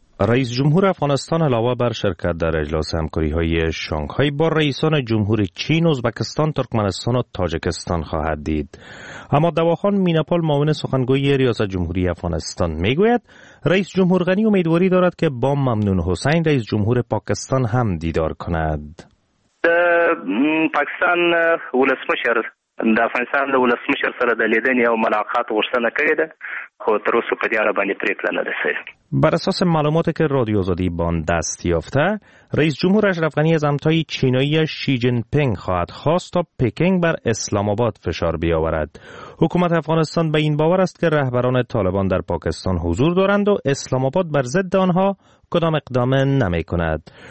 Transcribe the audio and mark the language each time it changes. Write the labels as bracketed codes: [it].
[fa] رئیس جمهور افغانستان علاوه بر شرکت در اجلاس همکاری های شانگهای با رئیسان جمهور چین، ازبکستان، ترکمنستان و تاجکستان خواهد دید. اما دواخان میناپال معاون سخنگوی ریاست جمهوری افغانستان میگوید رئیس جمهور غنی امیدواری دارد که با ممنون حسین رئیس جمهور پاکستان هم دیدار کند. [ps] پاکستان ولسمشر د افغانستان ولسمشر سره د لیدنې او ملاقات غوښتنه کړې ده، خو تر اوسه په دې اړه باندې پریکړه نه ده شوې. [fa] بر اساس معلوماتی که رادیو آزادی بان دست یافته، رئیس جمهور اشرف غنی از همتای چینایی شی جین پینگ خواهد خواست تا پکینگ بر اسلام آباد فشار بیاورد. حکومت افغانستان به این باور است که رهبران طالبان در پاکستان حضور دارند و اسلام آباد بر ضد آنها کدام اقدام نمی کند.